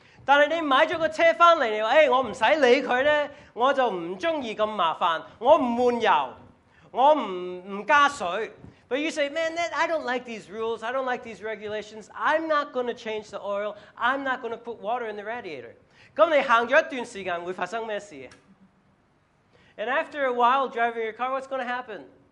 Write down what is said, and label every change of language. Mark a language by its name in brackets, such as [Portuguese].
[Chinese] 但是你买了个车回来,你说,哎,我不用理他呢,我就不喜欢这么麻烦,我不换油,我不加水. [English] But you say, man, that, I don't like these rules, I don't like these regulations, I'm not going to change the oil, I'm not going to put water in the radiator. [Chinese] 那你走了一段时间,会发生什么事? [English] And after a while driving your car, what's going to happen?